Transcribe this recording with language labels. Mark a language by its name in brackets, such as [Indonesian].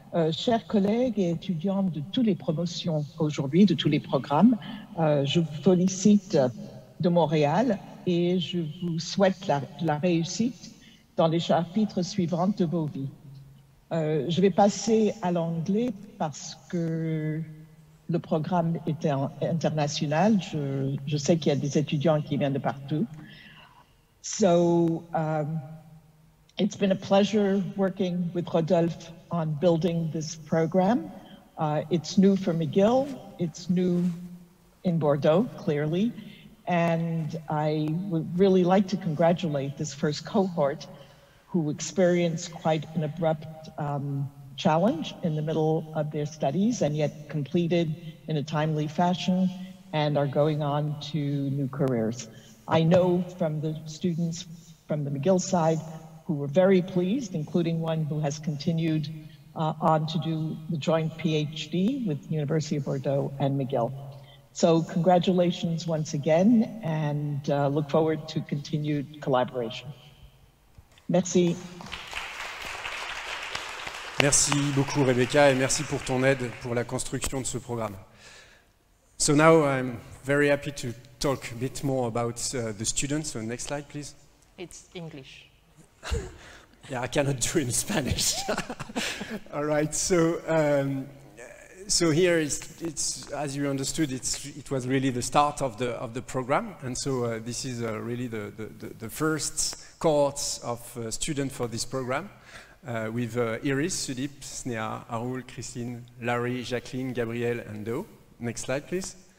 [French] Chers collègues et étudiantes de toutes les promotions aujourd'hui, de tous les programmes, je vous félicite de Montréal et je vous souhaite la réussite dans les chapitres suivants de vos vies. Je vais passer à l'anglais parce que le programme était international. Je sais qu'il y a des étudiants qui viennent de partout. [English] So, it's been a pleasure working with Rodolphe on building this program. It's new for McGill, it's new in Bordeaux, clearly, and I would really like to congratulate this first cohort who experienced quite an abrupt challenge in the middle of their studies and yet completed in a timely fashion and are going on to new careers. I know from the students from the McGill side who were very pleased, including one who has continued on to do the joint PhD with University of Bordeaux and McGill. So congratulations once again, and look forward to continued collaboration. [French] Merci. Merci beaucoup, Rebecca, et merci pour ton aide pour la construction de ce programme. [English] So now I'm very happy to talk a bit more about the students. So next slide, please. It's English. Yeah, I cannot do it in Spanish. All right, so here it's as you understood, it was really the start of the program, and so this is really the first cohort of students for this program, with Iris, Sudip, Snea, Arul, Christine, Larry, Jacqueline, Gabrielle, and Do. Next slide, please.